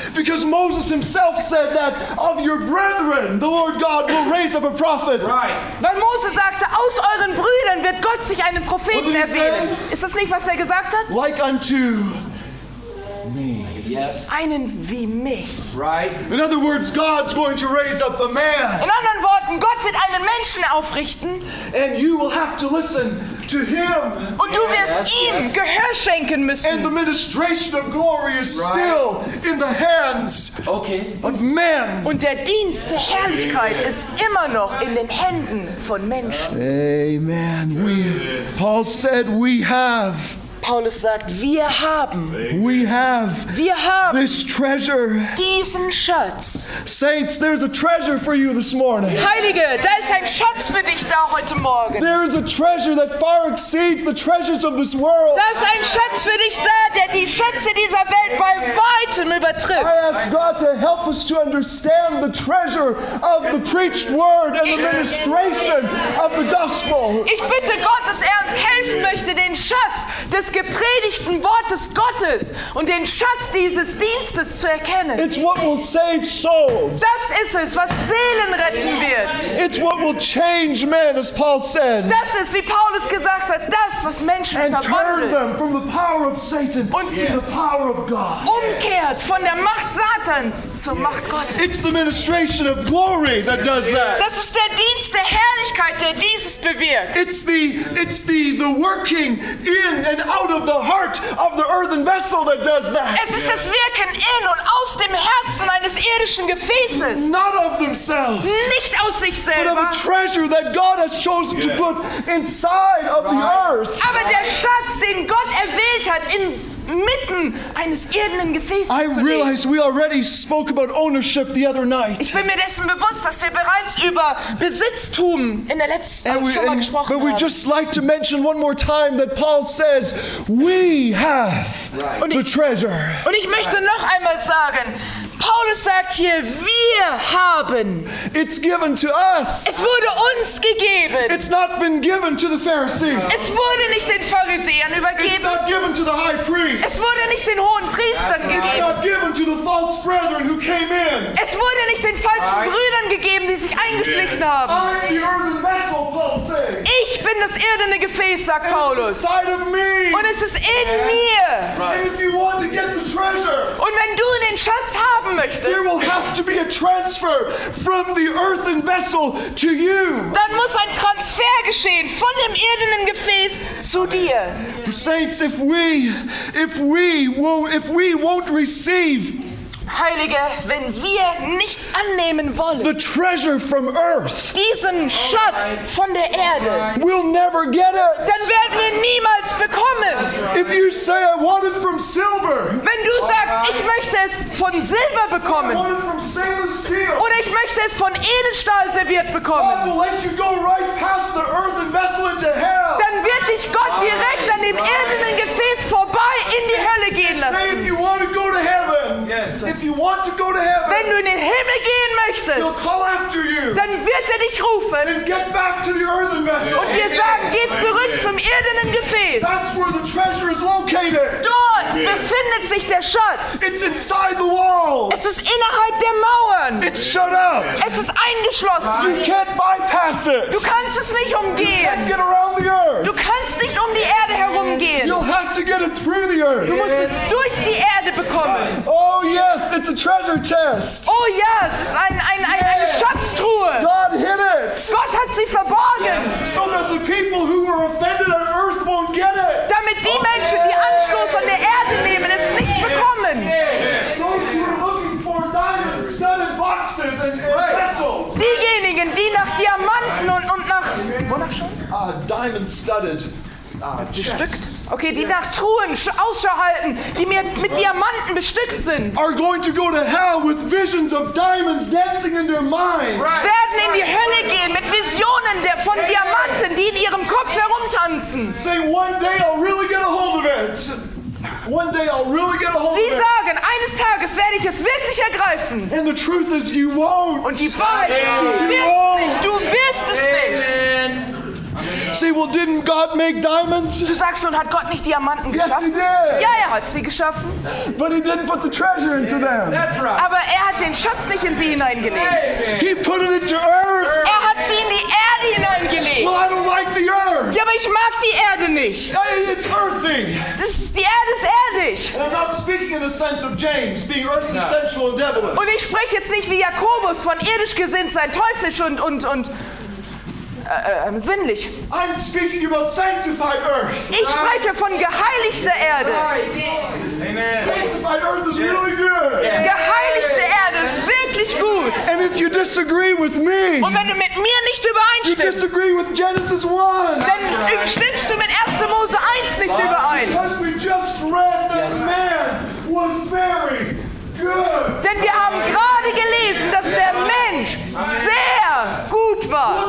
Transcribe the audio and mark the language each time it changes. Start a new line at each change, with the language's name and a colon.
English: Because Moses himself said that of your brethren the Lord God will raise up a prophet. Right.
German: Weil Mose sagte, aus euren Brüdern wird Gott sich einen Propheten erwählen. Ist das nicht, was er gesagt hat?
English: Like unto me. Yes.
German: Einen wie mich.
English: Right. In other words, God's going to raise up a man.
German: In anderen Worten, Gott wird einen Menschen aufrichten.
English: And you will have to listen. To him.
German: Und du wirst ihm Gehör schenken müssen.
English: And the ministration of glory is still in the hands of men.
German: Und der Dienst der Herrlichkeit ist immer noch in den Händen von Menschen.
English: Amen. Paul said we have.
German: Paulus sagt, wir haben.
English: We have.
German: Wir haben.
English: This treasure.
German: Diesen Schatz.
English: Saints, there's a treasure for you this morning.
German: Heilige, da ist ein Schatz für dich da heute Morgen.
English: There is a treasure that far exceeds the treasures of this world.
German: Da ist ein Schatz für dich da, der die Schätze dieser Welt bei weitem übertrifft.
English: I ask God to help us to understand the treasure of the preached word and the ministration of the gospel.
German: Ich bitte Gott, dass er uns helfen möchte, den Schatz des gepredigten Wortes Gottes und den Schatz dieses Dienstes zu erkennen.
English: It's what will save souls.
German: Das ist es, was Seelen retten wird.
English: It's what will change men, as Paul said.
German: Das ist, wie Paulus gesagt hat, das, was Menschen
English: and
German: verwandelt.
English: Turn them from the power of Satan
German: und sie
English: the power of God.
German: Umkehrt von der Macht Satans zur Macht Gottes.
English: It's the ministration of glory that does that. Das ist der Dienst der Herrlichkeit, der dieses bewirkt. It's the working in and out out of the heart of the earthen vessel that does that.
German: Es ist das Wirken in und aus dem Herzen eines irdischen Gefäßes.
English: Not of themselves.
German: Nicht aus sich selber.
English: But of a treasure that God has chosen to put inside of the earth.
German: Aber der Schatz, den Gott erwählt hat, in mitten eines irdenen Gefäßes.
English: I realize we already spoke about ownership the other night.
German: Ich bin mir dessen bewusst, dass wir bereits über Besitztum in der letzten Woche schon mal gesprochen haben.
English: But we just like to mention one more time that Paul says we have the treasure.
German: Und ich möchte noch einmal sagen, Paulus sagt hier, wir haben.
English: It's given to us.
German: Es wurde uns gegeben.
English: It's not been given to the Pharisees.
German: Es wurde nicht den Pharisäern übergeben.
English: It's not given to the high priest.
German: Es wurde nicht den hohen Priestern gegeben.
English: It's not given to the false brethren who came in.
German: Es wurde nicht den falschen Brüdern gegeben, die sich eingeschlichen haben.
English: I'm the earthen vessel, Paul says.
German: Ich bin das irdene Gefäß, sagt Paulus.
English: It's inside of me.
German: Und es ist in mir.
English: And if you want to get the treasure,
German: und wenn du den Schatz hast,
English: there will have to be a transfer from the earthen vessel to you.
German: Dann muss ein Transfer geschehen von dem irdenen Gefäß zu dir.
English: The saints, if we won't receive,
German: Heilige, wenn wir nicht annehmen wollen,
English: the treasure from earth,
German: diesen Schatz von der Erde,
English: we'll never get it.
German: Dann werden wir niemals bekommen.
English: If you say, I want it from silver,
German: wenn du sagst, ich möchte es von Silber bekommen,
English: I want it from stainless steel,
German: oder ich möchte es von Edelstahl serviert bekommen,
English: God will let you go right past the earthen vessel into hell.
German: Dann wird dich Gott direkt an dem irdenen Gefäß vorbei in die Hölle gehen lassen.
English: Say, if you want to go to heaven, yes. If you want to go to heaven,
German: wenn du in den Himmel gehen möchtest,
English: he'll call after you,
German: dann wird dich rufen.
English: And get back to the earthen vessel.
German: Und wir sagen, geh zurück zum irdenen Gefäß.
English: That's where the treasure is located.
German: Dort befindet sich der Schatz.
English: It's inside the walls.
German: Es ist innerhalb der Mauern.
English: It's shut up.
German: Es ist eingeschlossen.
English: You can't bypass it.
German: Du kannst es nicht umgehen.
English: You can't get around the earth.
German: Du kannst nicht um die Erde herumgehen.
English: You'll have to get it through the earth.
German: Du musst es durch die Erde bekommen.
English: Oh yeah. Yes, it's a treasure chest. Oh yes, it's
German: eine Schatztruhe.
English: God hid it.
German: Gott hat sie verborgen. Yes.
English: So that the people who were offended on earth won't get it.
German: Damit die Menschen, die Anstoß an der Erde nehmen, es nicht bekommen.
English: Those who are looking for diamonds, studded boxes and vessels.
German: Diejenigen, die nach Diamanten und nach wonach schon?
English: Diamond studded.
German: Bestückt. Okay, die nach Truhen Ausschau halten, die mir mit Diamanten bestückt sind.
English: Are going to go to hell with visions of diamonds dancing in their mind.
German: Werden in die Hölle gehen mit Visionen von Diamanten, die in ihrem Kopf herumtanzen.
English: Say one day I'll really get a hold of it. One day I'll really get a hold
German: Sie sagen, eines Tages werde ich es wirklich ergreifen.
English: And the truth is you won't.
German: Und die Wahrheit ist, du wirst es nicht.
English: Amen. Say, well, didn't God make diamonds?
German: Du sagst schon, hat Gott nicht Diamanten geschaffen?
English: Yes, he did.
German: Ja, er hat sie geschaffen.
English: But he didn't put the treasure into them. That's right.
German: Aber er hat den Schatz nicht in sie hineingelegt.
English: Amen. He put it into earth.
German: Er hat sie in die Erde hineingelegt.
English: Well, I don't like the earth.
German: Ja, aber ich mag die Erde nicht.
English: It's earthy.
German: Die Erde ist erdig.
English: And I'm not speaking in the sense of James, being earthly, sensual, and devilish.
German: Und ich spreche jetzt nicht wie Jakobus von irdisch gesinnt sein, teuflisch und sinnlich.
English: I'm speaking about sanctified earth.
German: Ich spreche von geheiligter Erde.
English: Amen. Sanctified earth is really good.
German: Yeah. Geheiligte Erde ist wirklich gut.
English: And if you disagree with me,
German: und wenn du mit mir nicht übereinstimmst,
English: you disagree with Genesis 1,
German: dann stimmst du mit 1. Mose 1 nicht überein.
English: Because we just read that man was very good.
German: Denn wir haben gerade gelesen, dass der Mensch sehr gut war.